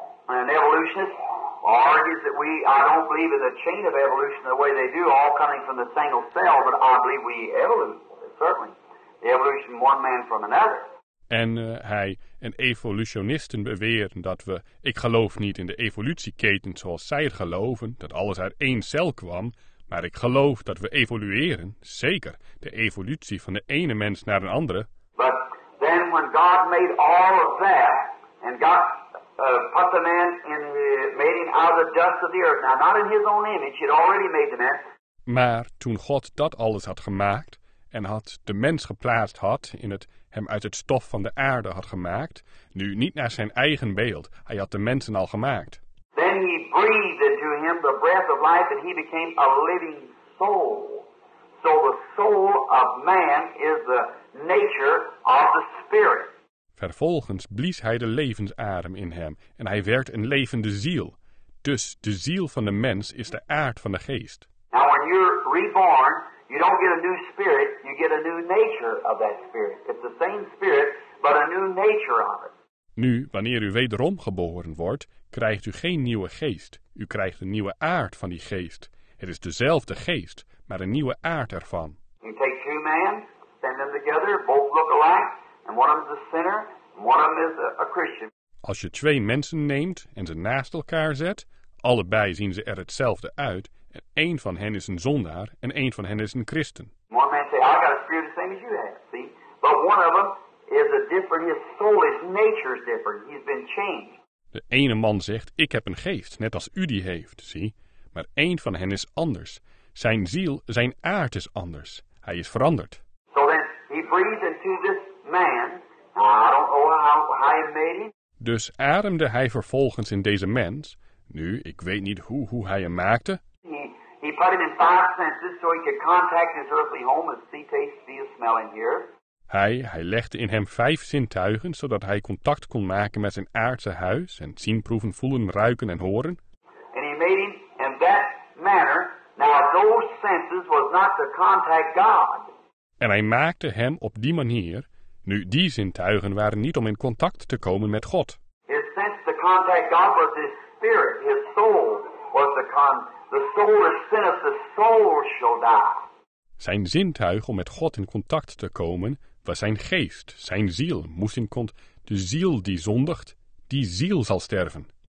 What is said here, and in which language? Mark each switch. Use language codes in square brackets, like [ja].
[en] And an evolutionist argues that I don't believe in the chain of evolution the way they do, all coming from the single cell, but I believe we evolute, certainly. The evolution one man from another. [nl] En evolutionisten beweren dat ik geloof niet in de evolutieketen zoals zij het geloven, dat alles uit één cel kwam. Maar ik geloof dat we evolueren, zeker, de evolutie van de ene mens naar een andere. [en] But then when God made all of that, and God put the man in, made him out of the dust of the earth, now not in his own image, he had already made the man. [nl] Maar toen God dat alles had gemaakt, en had de mens geplaatst had, in het hem uit het stof van de aarde had gemaakt, nu niet naar zijn eigen beeld, hij had de mensen al gemaakt. [en] Then he breathed into him the breath of life and he became a living soul. So the soul of man is the nature of the spirit. [nl] Vervolgens blies hij de levensadem in hem en hij werd een levende ziel. Dus de ziel van de mens is de aard van de geest. [en] Now when you're reborn, you don't get a new spirit, you get a new nature of that spirit. It's the same spirit, but a new nature of it. [nl] Nu, wanneer u wederom geboren wordt, krijgt u geen nieuwe geest. U krijgt een nieuwe aard van die geest. Het is dezelfde geest, maar een nieuwe aard ervan. [en] You take two men, stand them together, both look alike, and one of them is a sinner, and one of them is a Christian. [nl] Als je twee mensen neemt en ze naast elkaar zet, allebei zien ze er hetzelfde uit, en één van hen is een zondaar en één van hen is een christen. [en] One man say, I got a spirit the same as you have, see? But one of them is a different, his soul, his nature is different, he's been changed. [nl] De ene man zegt, ik heb een geest, net als u die heeft, zie. Maar één van hen is anders. Zijn ziel, zijn aard is anders. Hij is veranderd. [en] So then he breathed into this man. Now, I don't know how he made him. [nl] Dus ademde hij vervolgens in deze mens. Nu, ik weet niet hoe hij hem maakte. [en] He put him in five senses so he could contact his earthly home and see, taste, feel, smell and hear. [nl] Hij legde in hem vijf zintuigen, zodat hij contact kon maken met zijn aardse huis en zien, proeven, voelen, ruiken en horen. [en] And he made him in that manner. Now those senses was not to contact God. [nl] En hij maakte hem op die manier. Nu, die zintuigen waren niet om in contact te komen met God. [en] His sense to contact God was his spirit, his soul was the the soul is sin of the soul shall die. [nl] Zijn zintuig om met God in contact te komen was zijn geest, zijn ziel. Moest in kont, de ziel die zondigt, die ziel zal sterven.